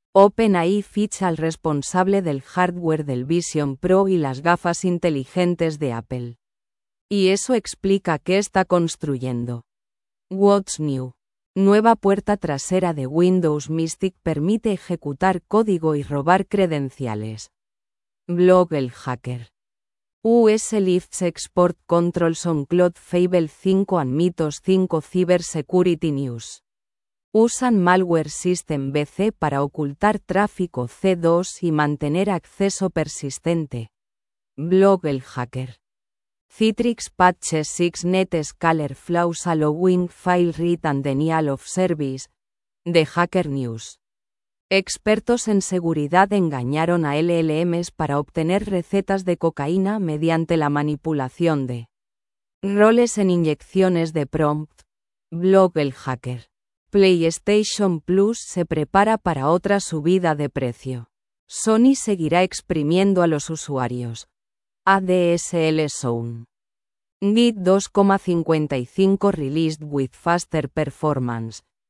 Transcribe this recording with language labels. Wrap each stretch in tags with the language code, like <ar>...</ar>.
<es>OpenAI ficha al responsable del hardware del Vision Pro y las gafas inteligentes de Apple. Y eso explica qué está construyendo.</es> <en>What's new?</en> <es>Nueva puerta trasera de Windows Mystic permite ejecutar código y robar credenciales. Blog El Hacker.</es> <en>US lifts export controls on Cloud Fable 5 and Mythos 5 Cybersecurity News.</en> <es>Usan malware system BC para ocultar tráfico C2 y mantener acceso persistente.</es> <en>Blog El Hacker. Citrix Patches 6 Net Scaler Flaws Allowing File Read and Denial of Service. The Hacker News.</en> <es>Expertos en seguridad engañaron a LLMs para obtener recetas de cocaína mediante la manipulación de roles en inyecciones de prompt. Blog El Hacker. PlayStation Plus se prepara para otra subida de precio. Sony seguirá exprimiendo a los usuarios. ADSL Zone.</es> <en>Git 2.55 released with faster performance.</en>